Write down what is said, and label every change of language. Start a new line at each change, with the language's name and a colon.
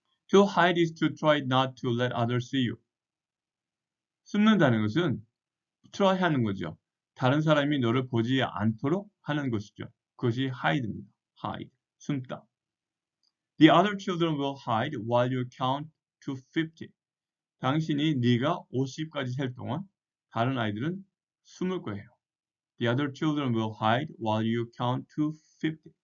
English: To hide is to try not to let others see you.
Korean: 숨는다는 것은 try 하는 거죠. 다른 사람이 너를 보지 않도록 하는 것이죠. 그것이 hide입니다. Hide. 숨다.
English: The other children will hide while you count to 50.
Korean: 당신이 네가 50까지 셀 동안 다른 아이들은 숨을 거예요.
English: The other children will hide while you count to 50.